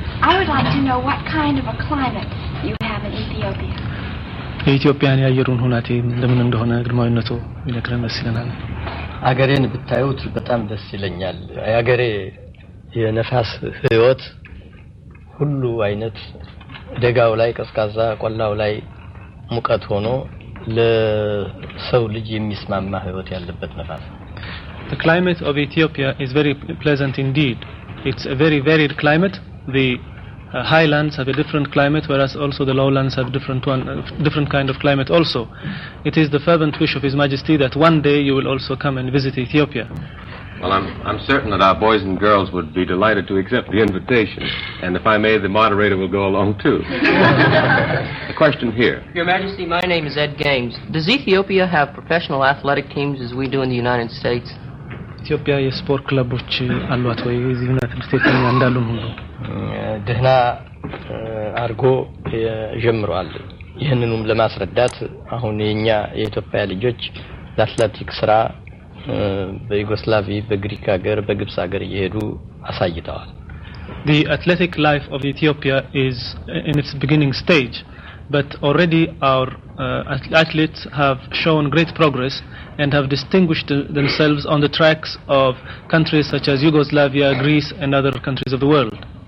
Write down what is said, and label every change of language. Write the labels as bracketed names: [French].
[English] I would like to know what kind of a climate you have in Ethiopia. [Amharic] የኢትዮጵያን ያየሩን ሁናቴ እንደምን እንደሆነ ግርማዊነቱ ይነግረን ደስ ይለናል። አገሬን ብታዩት በጣም ደስ ይለኛል። አገሬ የነፋስ ህይወት ሁሉ አይነት ደጋው ላይ ቀዝቃዛ ቆላው ላይ ሙቀት ሆኖ ለሰው ልጅ የሚስማማ ህይወት ያለበት ነፋስ [English] The climate of Ethiopia is very pleasant indeed. It's a very varied climate. The highlands have a different climate, whereas also the lowlands have different one, different kind of climate also. It is the fervent wish of His Majesty that one day you will also come and visit Ethiopia. Well, I'm certain that our boys and girls would be delighted to accept the invitation. And if I may, the moderator will go along too. A question here. Your Majesty, my name is Ed Games. Does Ethiopia have professional athletic teams as we do in the United States? [Amharic] ኢትዮጵያ የስፖርት ክለቦች አሏት ወይ እዚህ ዩናይትድ ስቴትስ ላይ እንዳሉ ሁሉ ደህና አርጎ ጀምሯል ይሄንንም ለማስረዳት አሁን የኛ የኢትዮጵያ ልጆች አትሌቲክ ስራ በዩጎስላቪ በግሪክ ሀገር በግብጽ ሀገር እየሄዱ አሳይተዋል [English] The athletic life of Ethiopia is in its beginning stage but already our athletes have shown great progress and have distinguished themselves on the tracks of countries such as Yugoslavia, Greece, and other countries of the world.